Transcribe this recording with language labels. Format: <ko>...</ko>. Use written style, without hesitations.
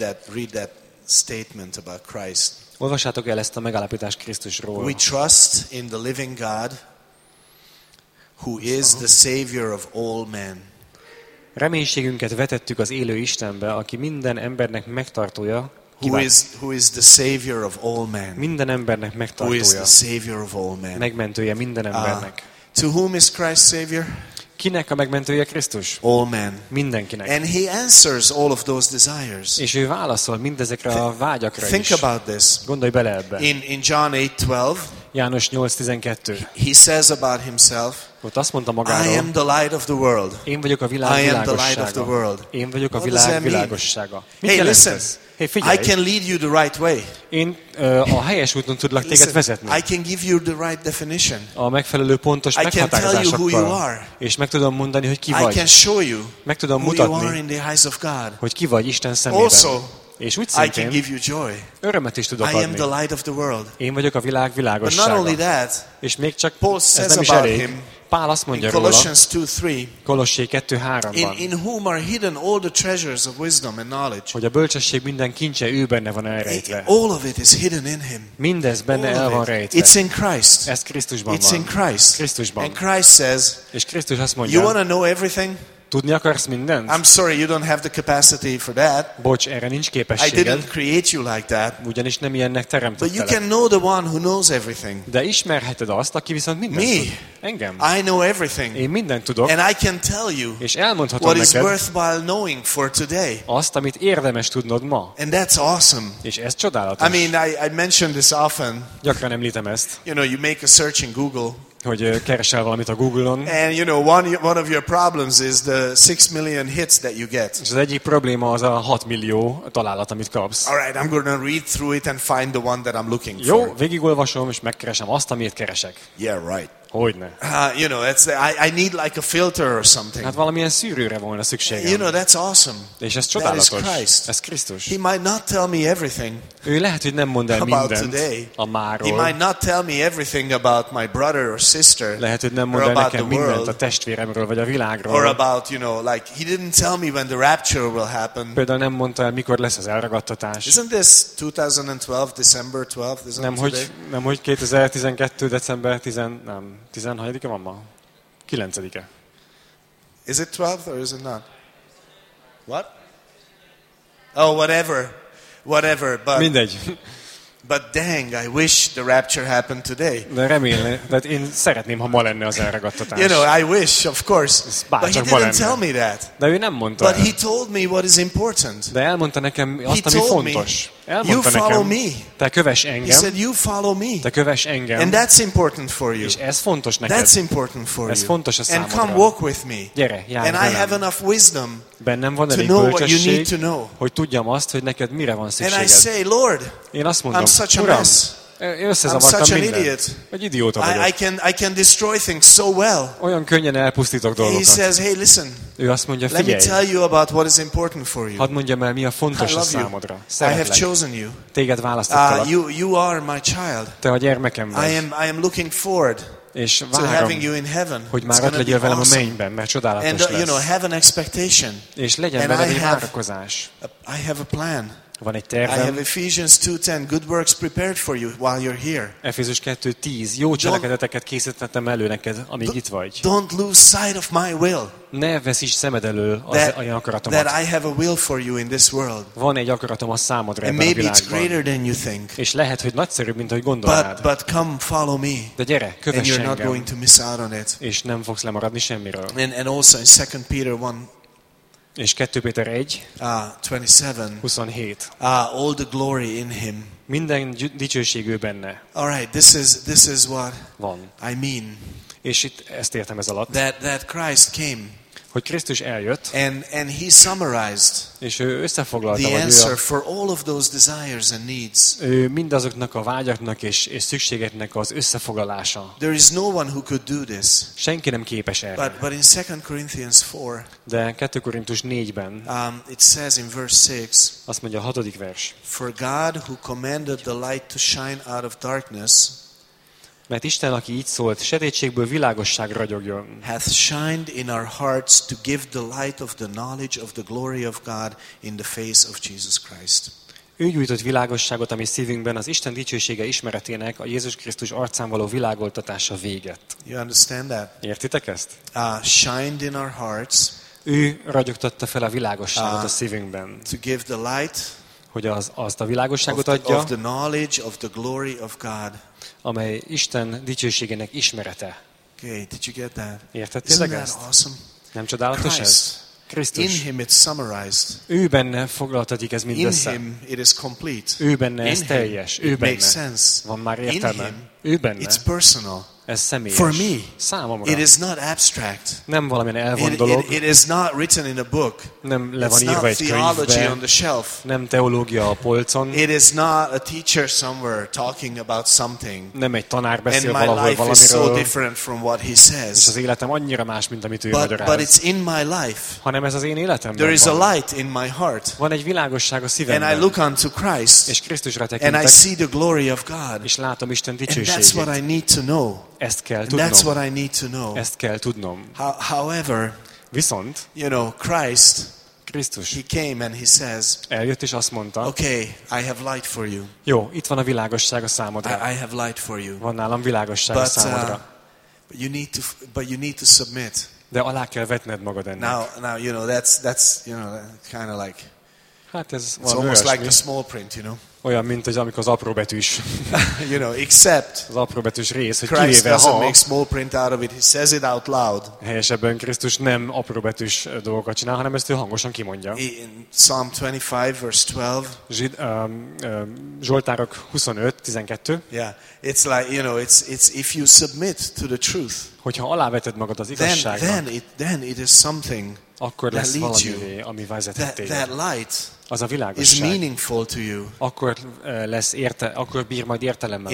<en>Read that statement about Christ.</en> <hu>Olvassátok el ezt a megállapítást Krisztusról.</hu> <en>We trust in the living God, who is the savior of all men.</en> <hu>Reménységünket vetettük az élő Istenbe, aki minden embernek megtartója.</hu> <en>Who is the savior of all men?</en> <hu>Minden embernek megtartója.</hu> <en>Who is the savior of all men?</en> <hu>Megmentője minden embernek.</hu> <en>To whom is Christ savior?</en> <hu>Kinek a megmentője Krisztus?</hu> <en>All men.</en> <hu>Mindenkinek.</hu> <en>And he answers all of those desires.</en> <hu>És ő válaszol mindezekre a vágyakra is.</hu> <en>Think about this.</en> <hu>Gondolj bele ebbe.</hu> <en>In John 8:12.</en> <hu>János 8:12.</hu> <en>He says about himself.</en> <hu>Ott azt mondta magáról.</hu> <en>I am the light of the world.</en> <hu>Én vagyok a világ világossága.</hu> <en>I am the light of the world.</en> <hu>Én vagyok a világ világossága.</hu> <en>Hey, listen. I can lead you the right way.</en> <hu>Én a helyes úton tudlak téged vezetni.</hu> <en>I can give you the right definition.</en> <hu>A megfelelő pontos meghatározásokkal.</hu> <en>I can tell you who you are.</en> <hu>És meg tudom mondani, hogy ki vagy.</hu> <en>I can show you.</en> <hu>Meg tudom</hu> <en>who</en> <hu>mutatni.</hu> <en>You are in the eyes of God.</en> <hu>Hogy ki vagy Isten szemében.</hu> <en>Also,</en> <hu>és úgy szintén,</hu> <en>I can give you joy.</en> <hu>Örömet is tudok adni.</hu> <en>I am the light of the world.</en> <hu>Én vagyok a világ világossága.</hu> <en>But not only that.</en> <hu>És még csak</hu> <en>Paul says</en> <hu>ez nem is</hu> <en>about</en> <hu>elég.</hu> <en>Him.</en> <hu>Pál azt mondja róla, Kolossé 2:3-ban,</hu> <en>in whom are hidden all the treasures of wisdom and knowledge.</en> <hu>Hogy a bölcsesség minden kincse ő benne van elrejtve.</hu> <en>All of it is hidden in him.</en> <hu>Mindez benne el van rejtve.</hu> <en>It's in Christ.</en> <hu>Ez Krisztusban van.</hu> <en>It's in Christ.</en> <hu>Krisztusban.</hu> <en>And Christ says,</en> <hu>és Krisztus azt mondja,</hu> <en>you want to know everything?</en> <hu>Tudni akarsz mindent?</hu> <en>I'm sorry, you don't have the capacity for that.</en> <hu>Bocs, erre nincs képességed.</hu> <en>I didn't create you like that.</en> <hu>Ugyanis nem ilyennek teremtettelek.</hu> <en>But you can know the one who knows everything.</en> <hu>De ismerheted azt, aki viszont mindent</hu> <en>Me.</en> <hu>Tud. Engem.</hu> <en>I know everything.</en> <hu>Én mindent tudok.</hu> <en>And I can tell you</en> <hu>és elmondhatom</hu> <en>what</en> <hu>neked</hu> <en>is worthwhile knowing for today.</en> <hu>Azt, amit érdemes tudnod ma.</hu> <en>And that's awesome.</en> <hu>És ez csodálatos.</hu> <en>I mean, I mention this often.</en> <hu>Gyakran említem ezt.</hu> <en>You know, you make a search in Google.</en> <hu>Hogy keresel valamit a Google-on.</hu> <en>And you know, one of your problems is the 6 million hits that you get.</en> <hu>És az egyik probléma az a 6 millió találat, amit kapsz.</hu> <en>All right, I'm going to read through it and find the one that I'm looking</en> <hu>Jó,</hu> <en>for.</en> <hu>Jó, végigolvasom és megkeresem azt, amit keresek.</hu> <en>Yeah, right.</en> <hu>Hogyne.</hu> <en>You know, it's I need like a filter or something.</en> <hu>Hát valamilyen szűrőre volna szükségem.</hu> <en>You know, that's awesome.</en> <hu>És ez csodálatos.</hu> <en>That is Christ.</en> <hu>Ez Krisztus.</hu> <en>He might not tell me everything.</en> <hu>Ő lehet, hogy nem mond el mindent a máról.</hu> <en>He might not tell me everything about my brother or sister.</en> <hu>Lehet, hogy nem mond el nekem mindent a testvéremről vagy a világról.</hu> <en>Or about, you know, like he didn't tell me when the rapture will happen.</en> <hu>Például nem mondta el, mikor lesz az elragadtatás.</hu> <en>Isn't this 2012 December 12th? Isn't</en> <hu>nem hogy 2012 december 10 nem. 19-e van ma? 9-e.</hu> <en>Is it 12th or is it not? What? Oh, whatever. Whatever, but</en> <hu>mindegy.</hu> <en>But dang, I wish the rapture happened today.</en> <hu>De remélem, de én szeretném, ha ma lenne az elragadtatás.</hu> <en>You know, I wish, of course.</en> <hu>Bár,</hu> <en>but he didn't tell me that.</en> <hu>De ő nem mondta.</hu> <en>But he told me what is important.</en> <hu>De elmondta nekem azt, ami fontos. Elmondta</hu> <en>you follow</en> <hu>nekem,</hu> <en>me.</en> <hu>Te kövess engem.</hu> <en>He said, you follow me.</en> <hu>Te kövess engem.</hu> <en>And that's important for you.</en> <hu>És ez fontos neked.</hu> <en>That's important for</en> <hu>ez fontos</hu> <en>you.</en> <hu>A számodra.</hu> <en>And come walk with me.</en> <hu>Gyere, járj velem.</hu> <en>And I have enough wisdom</en> <hu>bennem van elég</hu> <en>to know</en> <hu>bölcsesség,</hu> <en>what you need to know.</en> <hu>Hogy tudjam azt, hogy neked mire van szükséged.</hu> <en>And I say, Lord,</en> <hu>én azt mondom,</hu> <en>I'm such a mess.</en> <hu>Uram,</hu> <en>I'm such</en> <hu>minden.</hu> <en>An idiot.</en> <hu>Egy idióta vagyok.</hu> <en>I can destroy things so well.</en> <hu>Olyan könnyen elpusztítok dolgokat.</hu> <en>He says, hey, listen.</en> <hu>Ő azt mondja,</hu> <en>let me tell you about what is important for you.</en> <hu>Hadd mondjam el, mi a fontos a számodra. Szeretlek.</hu> <en>I have chosen you.</en> <hu>Téged választottalak.</hu> <en>You are my child.</en> <hu>Te a gyermekem vagy.</hu> <en>I am looking forward</en> <hu>és</hu> <en>to</en> <hu>várom,</hu> <en>having you in heaven.</en> <hu>Hogy már ott legyél velem</hu> <en>awesome.</en> <hu>A mennyben, mert csodálatos</hu> <en>and,</en> <hu>lesz.</hu> <en>You know, have an expectation.</en> <hu>És legyen</hu> <en>and</en> <hu>veled egy várakozás.</hu> <en>I have a plan.</en> <hu>Van egy tervem.</hu> <en>I have Ephesians 2:10 good works prepared for you while you're here.</en> <hu>Efézus 2:10 jó cselekedeteket készítettem elő neked, amíg itt vagy.</hu> <en>Don't lose sight of my will.</en> <hu>Ne veszíts szemed elől az olyan akaratomat.</hu> <en>That I have a will for you in this world.</en> <hu>Van egy akaratom a számodra ebben a világban.</hu> <en>Maybe it's greater than you think.</en> <hu>És lehet, hogy nagyszerűbb, mint ahogy gondolnád.</hu> <en>But come follow me.</en> <hu>De gyere, kövess engem.</hu> <en>And you're not going to miss out on it.</en> <hu>És nem fogsz lemaradni semmiről.</hu> <en>And also in 2 Peter 1</en> <hu>és 2 Péter 1,</hu> <en>27. All the glory in him.</en> <hu>Minden dicsőség ő benne.</hu> <en>All right, this is what</en> <hu>van.</hu> <en>I mean.</en> <hu>És itt ezt értem ez alatt.</hu> <en>That Christ came.</en> <hu>Hogy Krisztus eljött.</hu> <en>And he summarized.</en> <hu>És ő összefoglalta</hu> <en>the answer for all of those desires and needs.</en> <hu>Ő mindazoknak a vágyaknak és szükségeknek az összefoglalása.</hu> <en>There is no one who could do this.</en> <hu>Senki nem képes erre.</hu> <en>But in 2 Corinthians 4.</en> <hu>De 2 Korintus 4-ben.</hu> <en>It says in verse 6.</en> <hu>Azt mondja a 6. vers.</hu> <en>For God who commanded the light to shine out of darkness.</en> <hu>Mert Isten, aki így szólt, sötétségből világosság ragyogjon.</hu> <en>Hath shined in our hearts to give the light of the knowledge of the glory of God in the face of Jesus Christ.</en> <hu>Ő gyújtott világosságot a mi szívünkben az Isten dicsősége ismeretének a Jézus Krisztus arcán való világoltatása véget.</hu> <en>You understand that?</en> <hu>Értitek ezt?</hu> <en>Shined in our hearts.</en> <hu>Ő ragyogtatta fel a világosságot a szívünkben.</hu> <en>To give the light.</en> <hu>Hogy azt a világosságot adja.</hu> <en>Of the knowledge of the glory of God.</en> <hu>Amely Isten dicsőségének ismerete.</hu> <en>Okay, did you get that?</en> <hu>Értettétek ezt?</hu> <en>Awesome?</en> <hu>Nem csodálatos</hu> <en>Christ,</en> <hu>ez? Krisztus.</hu> <en>In him it's summarized.</en> <hu>Ő benne foglaltatik ez mindössze.</hu> <en>In him it is complete.</en> <hu>Ő benne ez teljes. Ő benne.</hu> <en>Makes sense.</en> <hu>Van már értelme.</hu> <en>In him,</en> <hu>ő benne.</hu> <en>It's personal.</en> <hu>Ez személyes.</hu> <en>For me,</en> <hu>számomra.</hu> <en>It is not abstract.</en> <hu>Nem valamilyen elvont dolog.</hu> <en>It is not written in a book.</en> <hu>Nem le van írva egy könyvbe. Nem teológia a polcon.</hu> <en>It is not a teacher somewhere talking about something.</en> <hu>Nem egy tanár beszél valahol valamiről.</hu> <en>And my life is so different from what he says.</en> <hu>És az életem annyira más, mint amit ő magyaráz.</hu> <en>But it's in my life.</en> <hu>Hanem ez az én életemben.</hu> <en>There is a light in my heart.</en> <hu>Van egy világosság a szívemben.</hu> <en>And I look unto Christ.</en> <hu>És Krisztusra tekintek.</hu> <en>And I see the glory of God.</en> <hu>És látom Isten dicsőségét.</hu> <en>And that's what I need to know.</en> <hu>Ezt kell tudnom.</hu> <en>That's what I need to know.</en> <hu>Ezt kell tudnom.</hu> <en>However,</en> <hu>viszont,</hu> <en>you know, Christ,</en> <hu>Krisztus,</hu> <en>he came and he says,</en> <hu>eljött és azt mondta,</hu> <en>okay, I have light for you.</en> <hu>Jó, itt van a világosság a számodra.</hu> <en>I have light for you.</en> <hu>Van nálam világosság a számodra.</hu> <en>But you need to submit.</en> <hu>De alá kell vetned magad ennek.</hu> <en>Now you know that's you know kind of like</en> <hu>hát ez</hu> <en>it's almost</en> <hu>olyasmi.</hu> <en>Like the small print, you know.</en> <hu>Olyan mint az, amikor az apró betűs.</hu> <en>You know, except</en> <hu>az apró betűs rész, hogy</hu> <en>Christ</en> <hu>kivéve,</hu> <en>doesn't make small print out of it. He says it out loud.</en> <hu>Helyesebben Krisztus nem apró betűs dolgokat csinál, hanem ezt ő hangosan kimondja.</hu> <en>In Psalm 25 verse 12.</en> <hu>Zsoltárok 25:12.</hu> <en>Yeah, it's like, you know, it's if you submit to the truth.</en> <hu>Hogyha aláveted magad az igazságnak.</hu> <en>Then it is something.</en> <hu>Akkor lesz</hu> <en>that leads</en> <hu>valamivé, ami vezethet téged.</hu> <en>That light.</en> <hu>Az a világosság.</hu> <en>Is meaningful to you.</en> <hu>Akkor lesz érte, akkor bír majd értelemmel</hu>